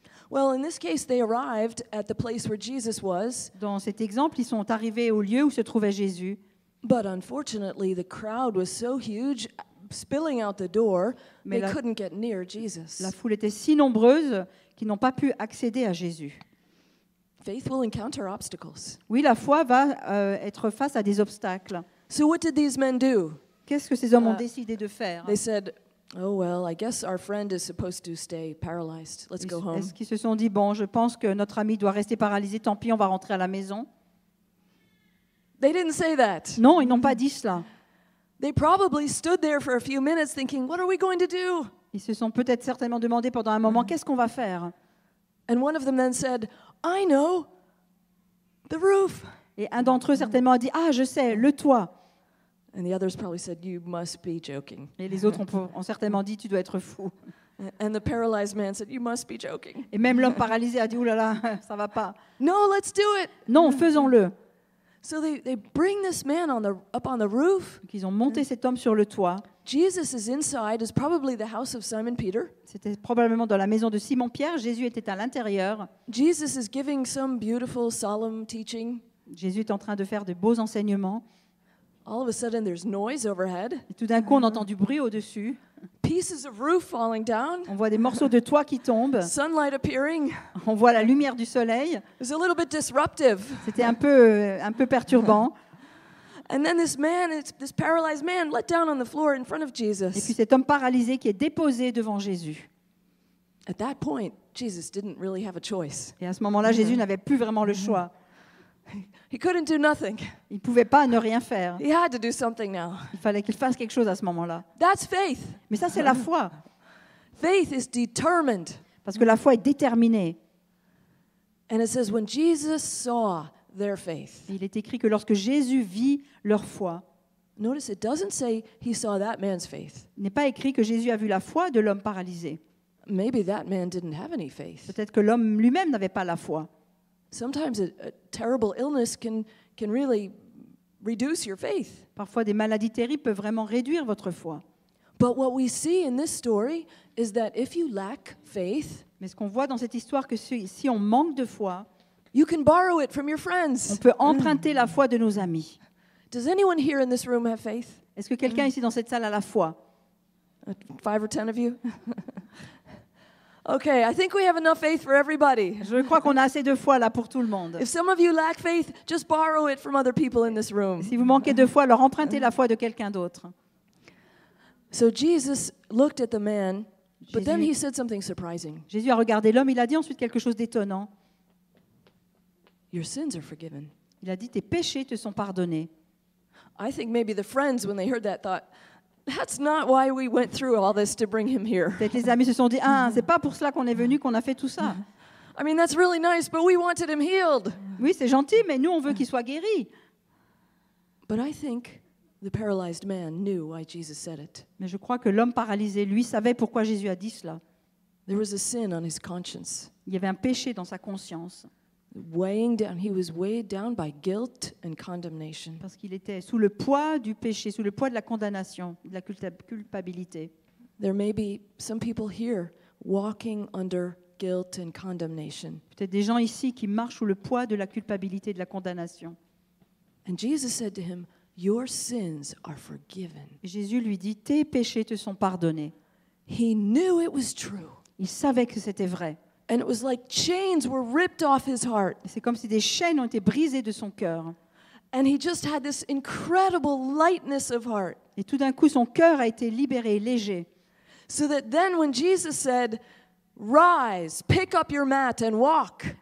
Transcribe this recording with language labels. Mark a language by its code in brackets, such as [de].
[en] Well, in this case, they arrived at the place where Jesus was. [fr] Dans cet exemple, ils sont arrivés au lieu où se trouvait Jésus. [en] But unfortunately, the crowd was so huge, spilling out the door, they couldn't get near Jesus. [fr] La foule était si nombreuse qu'ils n'ont pas pu accéder à Jésus. [en] Faith will encounter obstacles. [fr] Oui, la foi va être face à des obstacles. [en] So what did these men do? [fr] Qu'est-ce que ces hommes ont décidé de faire? [en] They said, oh well, I guess our friend is supposed to stay paralyzed. Let's go home. [fr] Est-ce qu'ils se sont dit bon, je pense que notre ami doit rester paralysé, tant pis, on va rentrer à la maison? [en] They didn't say that. [fr] Non, ils n'ont pas dit cela. [en] They probably stood there for a few minutes thinking, what are we going to do? [fr] Ils se sont peut-être certainement demandé pendant un moment, qu'est-ce qu'on va faire? [en] And one of them then said, I know, the roof. [fr] Et un d'entre eux certainement a dit, ah, je sais, le toit. [en] And the others probably said, "You must be joking." [fr] Et les autres ont certainement dit, tu dois être fou. [en] And the paralyzed man said, "You must be joking." [fr] Et même l'homme paralysé a dit, ouh là là, ça va pas. [en] No, let's do it. [fr] Non, faisons-le. [en] So they bring this man up on the roof. [fr] Ils ont monté cet homme sur le toit. [en] Jesus is inside. It's probably the house of Simon Peter. [fr] C'était probablement dans la maison de Simon Pierre. Jésus était à l'intérieur. [en] Jesus is giving some beautiful, solemn teaching. [fr] Jésus est en train de faire de beaux enseignements. [en] All of a sudden, there's noise overhead. [fr] Et tout d'un coup, on entend du bruit au-dessus. [en] Pieces of roof falling down. [fr] On voit des morceaux de toit qui tombent. [en] Sunlight appearing. [fr] On voit la lumière du soleil. [en] It's a little bit disruptive. [fr] C'était un peu perturbant. [en] And then this paralyzed man, let down on the floor in front of Jesus. [fr] Et puis cet homme paralysé qui est déposé devant Jésus. [en] At that point, Jesus didn't really have a choice. [fr] Et à ce moment-là, Jésus n'avait plus vraiment le choix. [en] He couldn't do nothing. [fr] Il pouvait pas ne rien faire. [en] He had to do something now. [fr] Il fallait qu'il fasse quelque chose à ce moment-là. [en] That's faith. [fr] Mais ça, c'est la foi. [en] Faith is determined. [fr] Parce que la foi est déterminée. [en] And it says when Jesus saw their faith. [fr] Il est écrit que lorsque Jésus vit leur foi. [en] Notice it doesn't say he saw that man's faith. [fr] Il n'est pas écrit que Jésus a vu la foi de l'homme paralysé. [en] Maybe that man didn't have any faith. [fr] Peut-être que l'homme lui-même n'avait pas la foi. [en] Sometimes a terrible illness can really reduce your faith. [fr] Parfois des maladies terribles peuvent vraiment réduire votre foi. [en] But what we see in this story is that if you lack faith, [fr] mais ce qu'on voit dans cette histoire que si on manque de foi, [en] you can borrow it from your friends. [fr] On peut emprunter la foi de nos amis. [en] Does anyone here in this room have faith? [fr] Est-ce que quelqu'un ici dans cette salle a la foi? [en] 5 or 10 of you? Okay, I think we have enough faith for everybody. [fr] Je crois qu'on a assez de foi là pour tout le monde. [en] If some of you lack faith, just borrow it from other people in this room. [fr] Si vous manquez de foi, alors empruntez la foi de quelqu'un d'autre. [en] So Jesus looked at the man, but then he said something surprising. [fr] Jésus a regardé l'homme, il a dit ensuite quelque chose d'étonnant. [en] Your sins are forgiven. [fr] Il a dit tes péchés te sont pardonnés. [en] I think maybe the friends when they heard that thought that's not why we went through all this to bring him here. [fr] Peut-être les amis se sont dit ah, c'est pas pour cela qu'on est venu qu'on a fait tout ça. [en] I mean that's really nice but we wanted him healed. [fr] Oui, c'est gentil mais nous on veut qu'il soit guéri. [en] But I think the paralyzed man knew why Jesus said it. [fr] Mais je crois que l'homme paralysé lui savait pourquoi Jésus a dit cela. [en] There was a sin on his conscience. [fr] Il y avait un péché dans sa conscience. [en] Weighing down, he was weighed down by guilt and condemnation. [fr] Parce qu'il était sous le poids du péché, sous le poids de la condamnation, de la culpabilité. [en] There may be some people here walking under guilt and condemnation. [fr] Peut-être des gens ici qui marchent sous le poids de la culpabilité, de la condamnation. [en] And Jesus said to him, "Your sins are forgiven." [fr] Jésus lui dit, tes péchés te sont pardonnés. [en] He knew it was true. [fr] Il savait que c'était vrai. [en] And it was like chains were ripped off his heart. [fr] C'est comme si des chaînes ont été brisées de son cœur. [en] And he just had this incredible lightness of heart. [fr] Et tout d'un coup, son cœur a été libéré, léger. [en] So that then, when Jesus said, "Rise, pick up your mat and walk."